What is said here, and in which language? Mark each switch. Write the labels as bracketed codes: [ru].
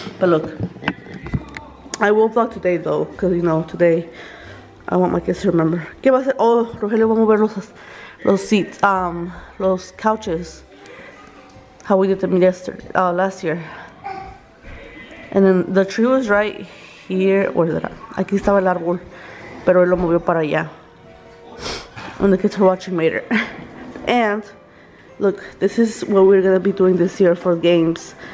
[en] But look, I will vlog today though, because you know, today I want my kids to remember. [es] ¿Qué va a hacer? [en] Oh, Rogelio [es] va a mover los [en] seats, los couches, how we did them yesterday, last year. And then the tree was right here, where is it at? [es] Aquí estaba el árbol, pero él lo movió para allá. [en] And the kids are watching later. And look, this is what we're gonna be doing this year for games.